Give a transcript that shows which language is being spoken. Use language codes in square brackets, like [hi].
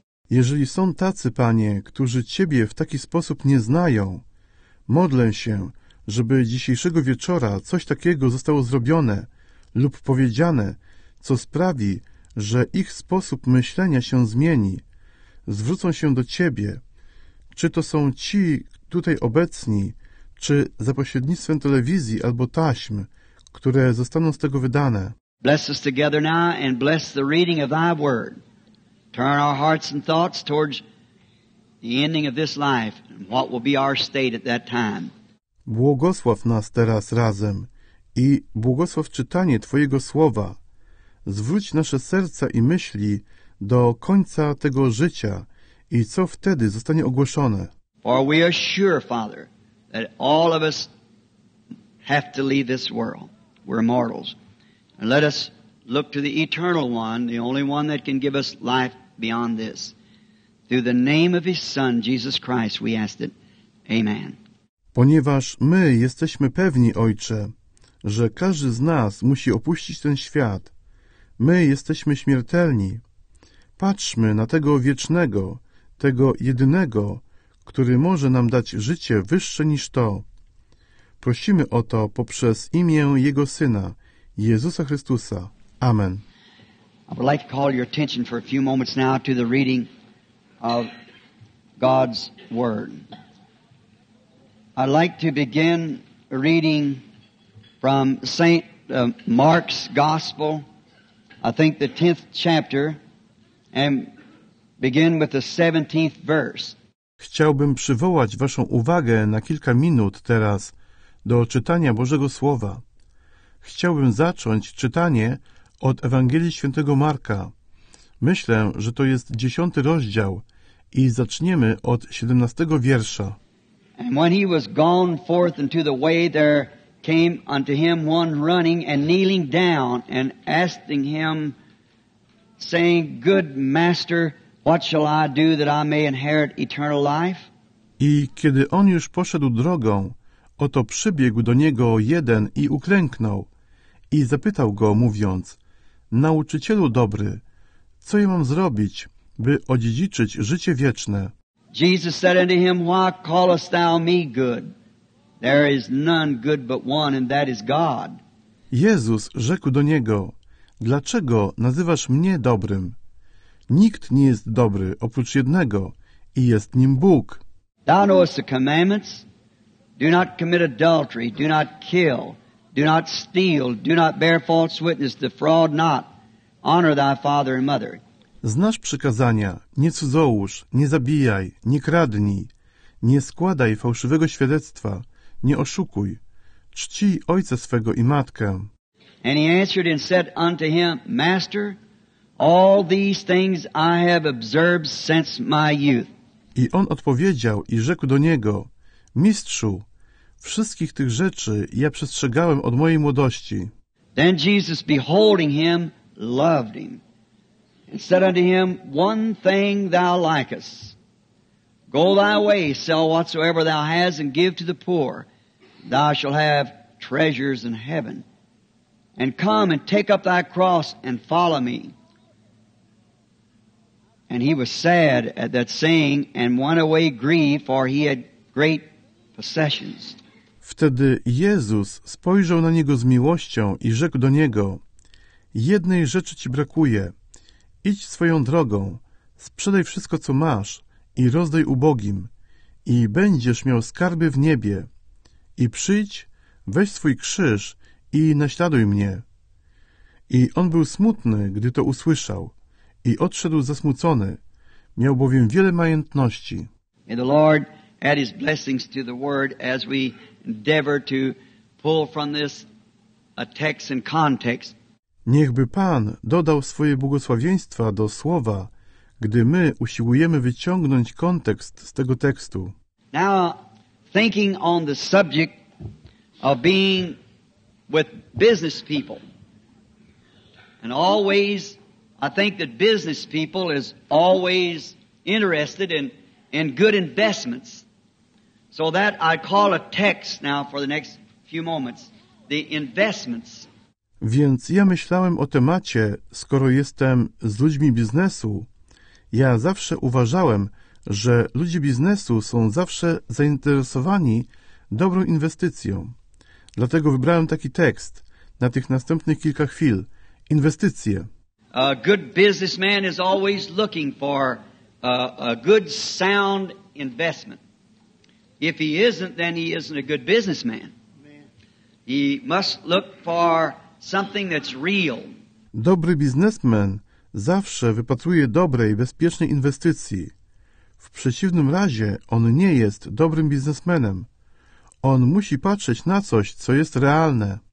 [pl] Jeżeli są tacy, Panie, którzy Ciebie w taki sposób nie znają, modlę się, żeby dzisiejszego wieczora coś takiego zostało zrobione lub powiedziane, co sprawi, że ich sposób myślenia się zmieni, zwrócą się do Ciebie. Czy to są ci tutaj obecni, czy za pośrednictwem telewizji albo taśm, które zostaną z tego wydane. [en] Bless us together now and bless the reading of Thy word. Turn our hearts and thoughts towards the ending of this life and what will be our state at that time. [pl] Błogosław nas teraz razem i błogosław czytanie Twojego słowa. Zwróć nasze serca i myśli do końca tego życia i co wtedy zostanie ogłoszone. [en] For we are sure, Father, that all of us have to leave this world. We're mortals. And let us look to the eternal one, the only one that can give us life beyond this. Through the name of his Son, Jesus Christ, we ask it. Amen. [pl] Ponieważ my jesteśmy pewni, Ojcze, że każdy z nas musi opuścić ten świat, my jesteśmy śmiertelni. Patrzmy na tego wiecznego, tego jedynego, który może nam dać życie wyższe niż to. Prosimy o to poprzez imię Jego Syna, Jezusa Chrystusa. Amen. [en] I would like to call your attention for a few moments now to the reading of God's Word. I'd like to begin reading from St. Mark's Gospel, I think the 10th chapter, and begin with the 17th verse. [pl] Chciałbym przywołać Waszą uwagę na kilka minut teraz do czytania Bożego Słowa. Chciałbym zacząć czytanie od Ewangelii Świętego Marka. Myślę, że to jest 10 rozdział i zaczniemy od 17 wiersza. [en] And when he was gone forth into the way, there came unto him one running and kneeling down and asking him, saying, "Good master, what shall I do that I may inherit eternal life?" [pl] I kiedy on już poszedł drogą, oto przybiegł do niego jeden i uklęknął i zapytał go, mówiąc: "Nauczycielu dobry, co ja mam zrobić, by odziedziczyć życie wieczne?" [en] Jesus said unto him, "Why callest thou me good? There is none good but one, and that is God." [pl] Jezus rzekł do niego: "Dlaczego nazywasz mnie dobrym? Nikt nie jest dobry oprócz jednego i jest nim Bóg." [en] "Thou knowest the commandments. Do not commit adultery, do not kill, do not steal, do not bear false witness, defraud not, honor thy father and mother." [pl] Znasz przykazania: nie cudzołóż, nie zabijaj, nie kradnij, nie składaj fałszywego świadectwa, nie oszukuj, czci ojca swego i matkę. [en] And he answered and said unto him, "Master, all these things I have observed since my youth." [pl] I on odpowiedział i rzekł do niego: "Mistrzu, wszystkich tych rzeczy ja przestrzegałem od mojej młodości." [en] Then Jesus, beholding him, loved him, and said unto him, "One thing thou lackest. Go thy way, sell whatsoever thou hast, and give to the poor. Thou shalt have treasures in heaven. And come and take up thy cross and follow me." And he was sad at that saying, and went away grieved, for he had great possessions. [pl] Wtedy Jezus spojrzał na niego z miłością i rzekł do niego: "Jednej rzeczy ci brakuje. Idź swoją drogą, sprzedaj wszystko, co masz, i rozdaj ubogim, i będziesz miał skarby w niebie. i przyjdź, weź swój krzyż i naśladuj mnie. I on był smutny, gdy to usłyszał, i odszedł zasmucony, miał bowiem wiele majątności. [en] May the Lord add his blessings to the word as we endeavor to pull from this a text and context. [pl] Niechby Pan dodał swoje błogosławieństwa do słowa, gdy my usiłujemy wyciągnąć kontekst z tego tekstu. [en] Now, thinking on the subject of being with business people, and always, I think that business people is always interested in good investments. So that I call a text now for the next few moments, the investments. [pl] Więc ja myślałem o temacie, skoro jestem z ludźmi biznesu. Ja zawsze uważałem, że ludzie biznesu są zawsze zainteresowani dobrą inwestycją. Dlatego wybrałem taki tekst na tych następnych kilka chwil. Inwestycje. [en] A good businessman is always looking for a good sound investment. If he isn't, then he isn't a good businessman. He must look for something that's real. [pl] Dobry biznesmen zawsze wypatruje dobrej, bezpiecznej inwestycji. W przeciwnym razie on nie jest dobrym biznesmenem. On musi patrzeć na coś, co jest realne.